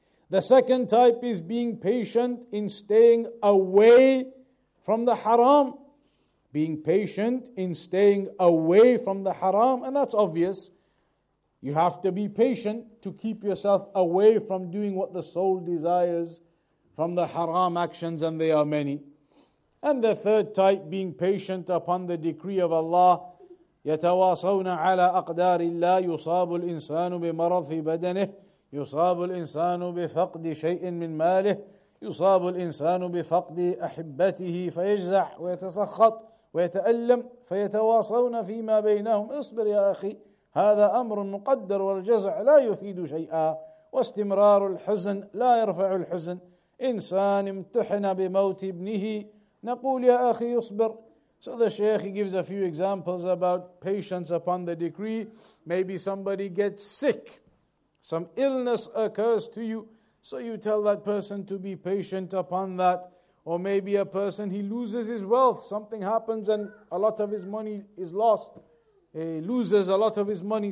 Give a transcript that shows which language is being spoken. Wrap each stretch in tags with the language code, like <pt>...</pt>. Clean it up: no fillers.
<en>The second type is being patient in staying away from the haram, being patient in staying away from the haram, and that's obvious. You have to be patient to keep yourself away from doing what the soul desires from the haram actions, and they are many. And the third type, being patient upon the decree of Allah,</en> <ar>يَتَوَاصَوْنَ عَلَىٰ أَقْدَارِ اللَّهِ يُصَابُ الْإِنسَانُ بِمَرَضْ فِي بَدَنِهِ يُصَابُ الْإِنسَانُ بِفَقْدِ شَيْءٍ مِّن مَالِهِ يصاب الإنسان بفقد أحبته فيجزع ويتسخط ويتألم فيتواصون فيما بينهم اصبر يا أخي هذا أمر مقدر والجزع لا يفيد شيئا واستمرار الحزن لا يرفع الحزن إنسان امتحن بموت ابنه نقول يا أخي اصبر.</ar> <en>So the Sheikh, he gives a few examples about patience upon the decree. Maybe somebody gets sick, some illness occurs to you, So you tell that person to be patient upon that. Or maybe a person, he loses his wealth. Something happens and a lot of his money is lost. He loses a lot of his money.</en>